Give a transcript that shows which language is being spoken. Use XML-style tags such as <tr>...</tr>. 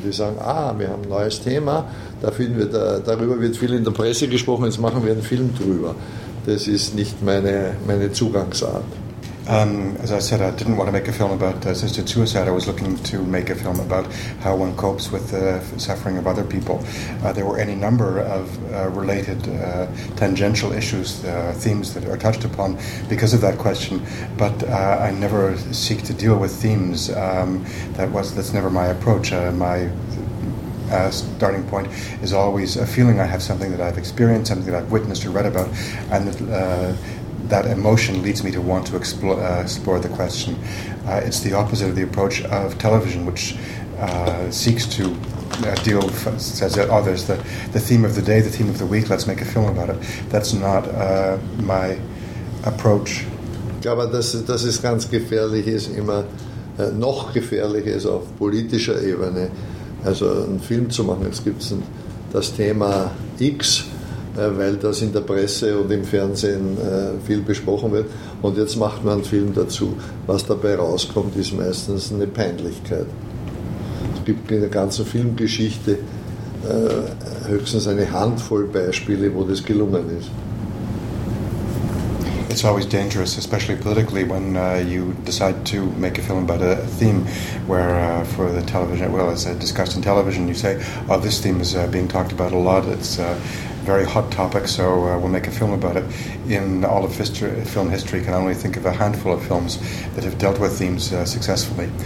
<de>Die sagen, wir haben ein neues Thema, darüber wird viel in der Presse gesprochen, jetzt machen wir einen Film drüber. Das ist nicht meine Zugangsart.</de> <en>As I said, I didn't want to make a film about assisted suicide. I was looking to make a film about how one copes with the suffering of other people. There were any number of related tangential issues, themes that are touched upon because of that question, but I never seek to deal with themes. That's never my approach. My starting point is always a feeling I have, something that I've experienced, something that I've witnessed or read about, and that emotion leads me to want to explore the question. It's the opposite of the approach of television, which seeks to says that, there's the theme of the day, the theme of the week, let's make a film about it. That's not my approach.</en> <de>Ich glaube, dass es ganz gefährlich ist, immer noch gefährlicher ist auf politischer Ebene, also einen Film zu machen. Jetzt gibt es das Thema X, weil das in der Presse und im Fernsehen viel besprochen wird. Und jetzt macht man einen Film dazu. Was dabei rauskommt, ist meistens eine Peinlichkeit. Es gibt in der ganzen Filmgeschichte höchstens eine Handvoll Beispiele, wo das gelungen ist.</de> <en>It's always dangerous, especially politically, when you decide to make a film about a theme where for the television, well, it's discussed in television, you say, oh, this theme is being talked about a lot, it's a very hot topic, so we'll make a film about it. In all of film history, I can only think of a handful of films that have dealt with themes successfully.</en>